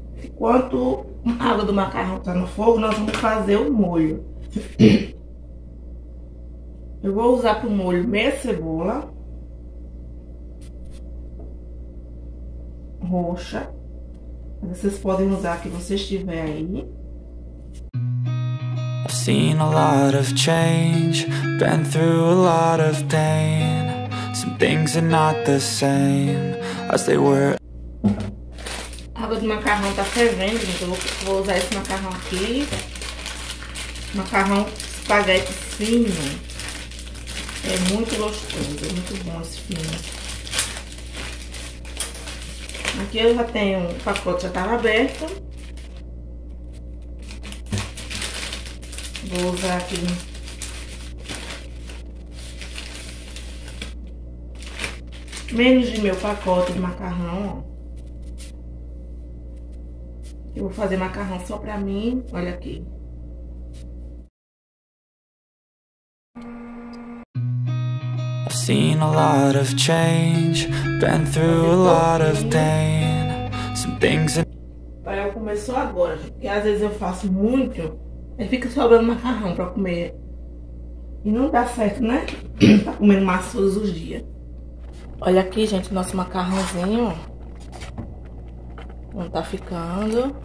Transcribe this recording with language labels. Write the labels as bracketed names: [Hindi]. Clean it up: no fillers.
[Portuguese] Enquanto a água do macarrão tá no fogo, nós vamos fazer o molho. Eu vou usar para o molho meia cebola roxa. Vocês podem usar a que vocês tiverem aí. [English] I've seen a lot of change, been through a lot of pain. Some things are not the same as they were. [Portuguese] A água do macarrão tá fervendo, então vou usar esse macarrão aqui. Macarrão espaguete fino. É muito gostoso, é muito bom esse fino. Aqui eu já tenho, o pacote já estava aberto. Vou usar aqui. Menos de meu pacote de macarrão, ó. Eu vou fazer macarrão só pra mim, olha aqui. [English] Seen a lot of change, been through a lot of pain. Some things in. [Portuguese] Olha, começou agora, porque às vezes eu faço muito e fica sobrando macarrão pra comer. E não dá certo, né? Tá comendo massa todos os dias. Olha aqui, gente, nosso macarrãozinho. Não tá ficando.